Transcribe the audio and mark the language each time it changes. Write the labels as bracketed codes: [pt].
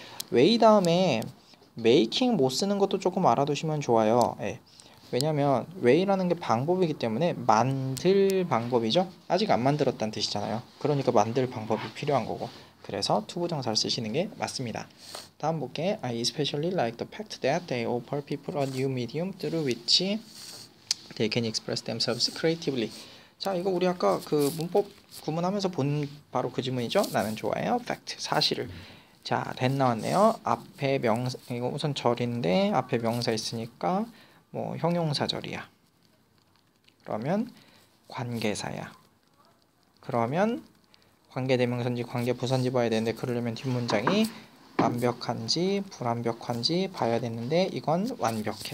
[ko] 웨이 다음에 메이킹 못 쓰는 것도 조금 알아두시면 좋아요. 예. 왜냐면 웨이라는 게 방법이기 때문에 만들 방법이죠. 아직 안 만들었다는 뜻이잖아요. 그러니까 만들 방법이 필요한 거고. 그래서 to 부정사를 쓰시는 게 맞습니다. 다음 볼게. [en] I especially like the fact that they offer people a new medium through which they can express themselves creatively. [ko] 자, 이거 우리 아까 그 문법 구문하면서 본 바로 그 질문이죠. 나는 좋아해요. fact, 사실을. 자, 됐 나왔네요. 앞에 명사, 이거 우선 절인데 앞에 명사 있으니까 뭐 형용사절이야. 그러면 관계사야. 그러면 관계대명사인지 관계부사인지 봐야 되는데, 그러려면 뒷문장이 완벽한지 불완벽한지 봐야 되는데 이건 완벽해.